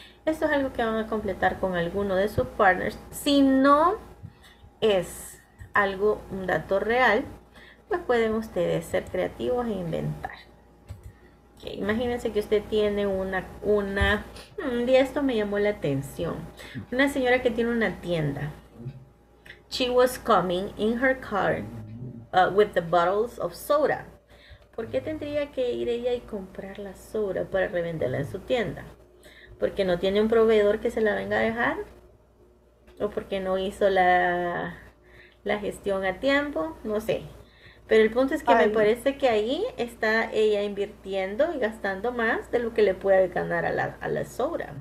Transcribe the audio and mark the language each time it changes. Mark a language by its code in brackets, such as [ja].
[es] Esto es algo que van a completar con alguno de sus partners. Si no es algo, un dato real, pues pueden ustedes ser creativos e inventar. Okay, imagínense que usted tiene una, un día esto me llamó la atención, una señora que tiene una tienda. [en] She was coming in her car with the bottles of soda. [es] ¿Por qué tendría que ir ella y comprar la soda para revenderla en su tienda? ¿Porque no tiene un proveedor que se la venga a dejar? ¿O porque no hizo la gestión a tiempo? No sé. Pero el punto es que me parece que ahí está ella invirtiendo y gastando más de lo que le puede ganar a la soda.